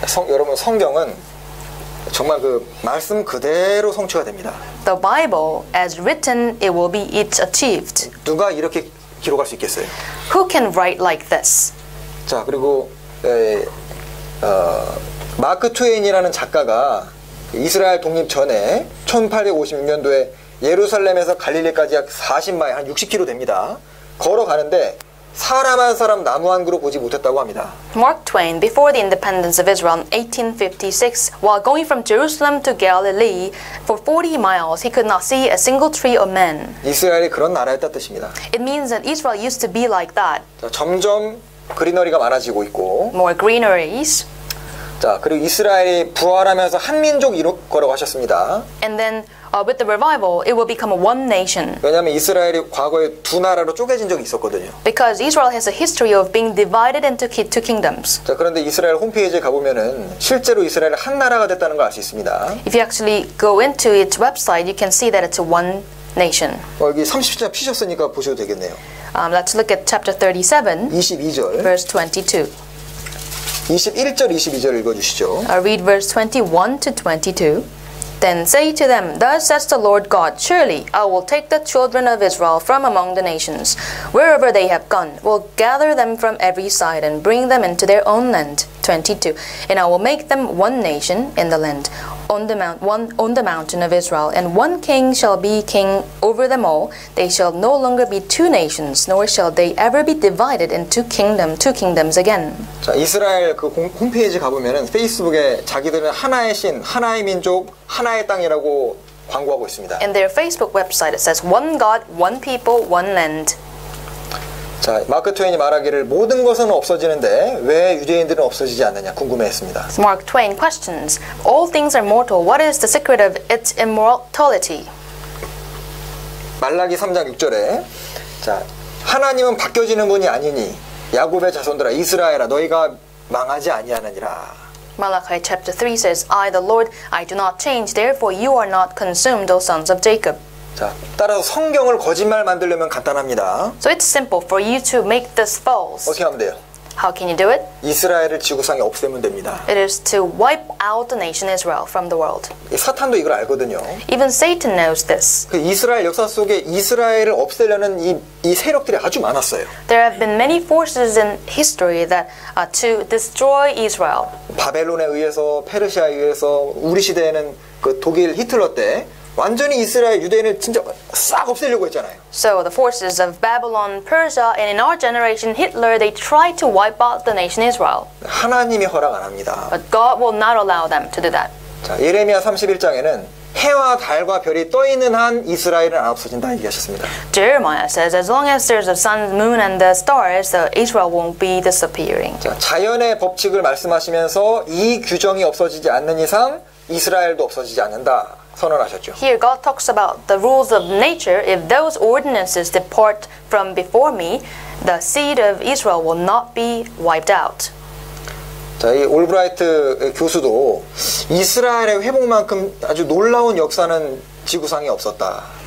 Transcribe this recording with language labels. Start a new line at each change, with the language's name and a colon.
Korean: 여러분 성경은 정말 그 말씀 그대로 성취가 됩니다.
English: The Bible as written it will be it's achieved.
Korean: 누가 이렇게 기록할 수 있겠어요?
English: Who can write like this?
Korean: 자, 그리고 마크 트웨인이라는 작가가 이스라엘 독립 전에 1856년도에 예루살렘에서 갈릴리까지 약 40마일, 한 60km 됩니다. 걸어가는데 사람 한 사람 나무 한 그루 보지 못했다고 합니다.
English: Mark Twain, before the independence of Israel in 1856, while going from Jerusalem to Galilee for 40 miles, he could not see a single tree or man.
Korean: 이스라엘이 그런 나라였다 뜻입니다.
English: It means that Israel used to be like that.
Korean: 자, 점점 그리너리가 많아지고 있고
English: More greeneries.
Korean: 자, 그리고 이스라엘이 부활하면서 한 민족 이룰 거라고 하셨습니다.
English: And then With the revival, it will become a one nation.
Korean: 왜냐하면 이스라엘이 과거에 두 나라로 쪼개진 적이 있었거든요.
English: Because Israel has a history of being divided into two kingdoms.
Korean: 자, 그런데 이스라엘 홈페이지에 가보면은 실제로 이스라엘 한 나라가 됐다는 걸 알 수 있습니다.
English: If you actually go into its website, you can see that it's a one nation.
Korean: 여기 30절 피셨으니까 보셔도 되겠네요.
English: Let's look at chapter 37,
Korean: 22절.
English: Verse 22.
Korean: 21절, 22절 읽어주시죠.
English: I read verse 21 to 22. Then say to them, Thus says the Lord God, Surely I will take the children of Israel from among the nations. Wherever they have gone, will gather them from every side and bring them into their own land. 22. And I will make them one nation in the land, on the mountain of Israel. And one king shall be king over them all. They shall no longer be two nations, nor shall they ever be divided into two kingdoms again.
Korean: 자, 이스라엘 그 홈페이지 가보면은 페이스북에 자기들은 하나의 신, 하나의 민족, 하나의 땅이라고 광고하고 있습니다.
English: And their Facebook website it says one God, one people, one land.
Korean: 자, 마크 트웨인이 말하기를 모든 것은 없어지는데 왜 유대인들은 없어지지 않느냐 궁금해했습니다.
English: Mark Twain questions, All things are mortal. What is the secret of its immortality?
Korean: 말라기 3장 6절에 자, 하나님은 바뀌어지는 분이 아니니 야곱의 자손들아 이스라엘아 너희가 망하지 아니하느니라.
English: Malachi chapter 3 says, I the Lord I do not change. Therefore you are not consumed, O sons of Jacob.
Korean: 자, 따라서 성경을 거짓말 만들려면 간단합니다.
English: So it's simple for you to make this false.
Korean: 어떻게 하면 돼요?
English: How can you do it?
Korean: 이스라엘을 지구상에 없애면 됩니다.
English: It is to wipe out the nation Israel from the world.
Korean: 사탄도 이걸 알거든요.
English: Even Satan knows this.
Korean: 그 이스라엘 역사 속에 이스라엘을 없애려는 이 세력들이 아주 많았어요.
English: There have been many forces in history that are to destroy Israel.
Korean: 바벨론에 의해서, 페르시아에 의해서, 우리 시대에는 그 독일 히틀러 때 완전히 이스라엘 유대인을 진짜 싹 없애려고 했잖아요.
English: So the forces of Babylon, Persia, and in our generation, Hitler, they tried to wipe out the nation Israel.
Korean: 하나님이 허락 안 합니다.
English: But God will not allow them to do that.
Korean: 자, 예레미야 31장에는 해와 달과 별이 떠 있는 한 이스라엘은 안 없어진다 얘기하셨습니다.
English: Jeremiah says, as long as there's a sun, moon, and the stars, so Israel won't be disappearing.
Korean: 자, 자연의 법칙을 말씀하시면서 이 규정이 없어지지 않는 이상 이스라엘도 없어지지 않는다. 선언하셨죠.
English: Here God talks about the rules of nature. If those ordinances depart from before me, the seed of Israel will not be wiped out.
Korean: 자, 이 올브라이트 교수도 이스라엘의 회복만큼 아주 놀라운 역사는 지구상에 없었다.